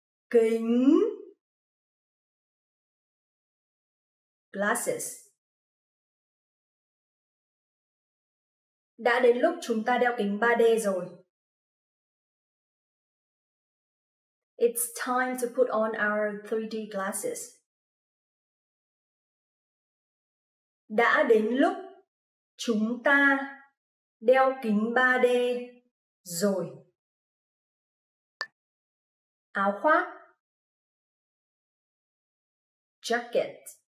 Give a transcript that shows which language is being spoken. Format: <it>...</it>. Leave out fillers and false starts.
<vi>Kính.</vi> <en>Glasses.</en> <vi>Đã đến lúc chúng ta đeo kính 3D rồi.</vi> <en>It's time to put on our 3D glasses.</en> <vi>Đã đến lúc chúng ta đeo kính 3D rồi. Áo khoác.</vi> <en>Jacket.</en>